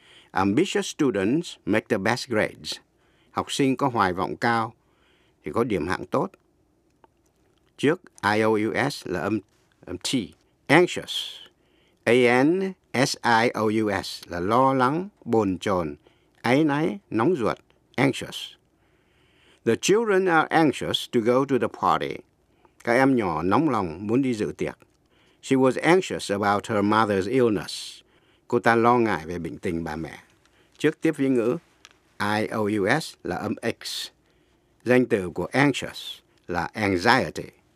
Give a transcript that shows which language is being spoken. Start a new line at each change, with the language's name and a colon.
English: Ambitious students make the best grades.
Vietnamese: Học sinh có hoài vọng cao thì có điểm hạng tốt. Trước I-O-U-S là âm T. Anxious. A-N-S-I-O-U-S là lo lắng, bồn chồn, áy náy, nóng ruột.
English: Anxious. The children are anxious to go to the party.
Vietnamese: Các em nhỏ nóng lòng muốn đi dự tiệc.
English: She was anxious about her mother's illness.
Vietnamese: Cô ta lo ngại về bệnh tình bà mẹ. Trước tiếp vĩ ngữ, I-O-U-S là âm X. Danh từ của anxious là anxiety.